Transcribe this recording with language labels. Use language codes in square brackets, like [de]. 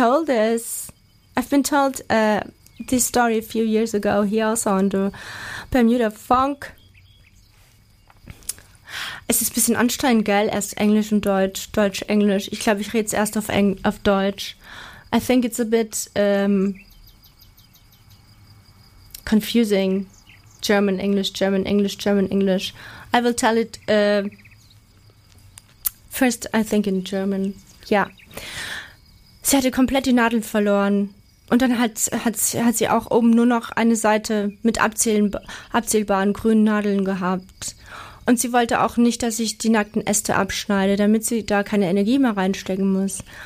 [en] I've been told this story a few years ago here also on the Bermuda Funk. [de] Es ist ein bisschen anstrengend, gell? Erst Englisch und Deutsch, Deutsch, Englisch. Ich glaube, ich rede es erst auf Deutsch. [en] I think it's a bit confusing. German, English, German, English, German, English. I will tell it first, I think, in German. [de] Ja. Sie hatte komplett die Nadel verloren. Und dann hat sie auch oben nur noch eine Seite mit abzählbaren grünen Nadeln gehabt. Und sie wollte auch nicht, dass ich die nackten Äste abschneide, damit sie da keine Energie mehr reinstecken muss.